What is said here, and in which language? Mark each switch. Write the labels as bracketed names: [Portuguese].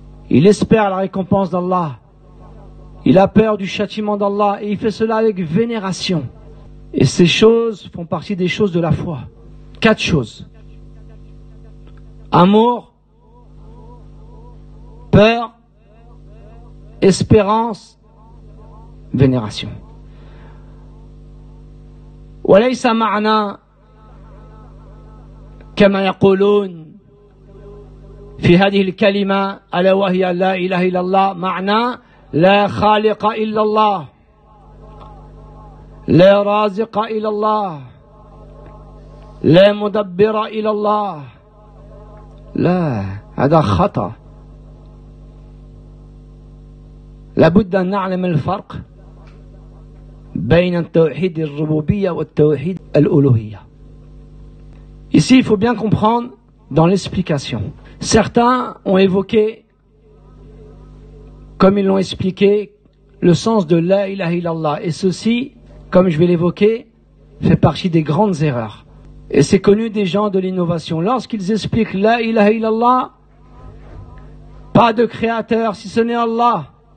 [French] Il espère la récompense d'Allah, il a peur du châtiment d'Allah et il fait cela avec vénération. Et ces choses font partie des choses de la foi. Quatre choses. Amour, peur, espérance, vénération. [Arabic] وليس معنى كما يقولون في هذه الكلمة ألا وهي لا إله إلا الله معنى لا خالق إلا الله لا رازق إلا الله لا مدبر إلا الله لا هذا خطأ لابد أن نعلم الفرق بين التوحيد الربوبية والتوحيد الألوهية. [French] Ici, il faut bien comprendre dans l'explication. Certains ont évoqué, comme ils l'ont expliqué, le sens de la ilaha illallah. Et ceci, comme je vais l'évoquer, fait partie des grandes erreurs. Et c'est connu des gens de l'innovation. Lorsqu'ils expliquent la ilaha illallah, pas de créateur si ce n'est Allah.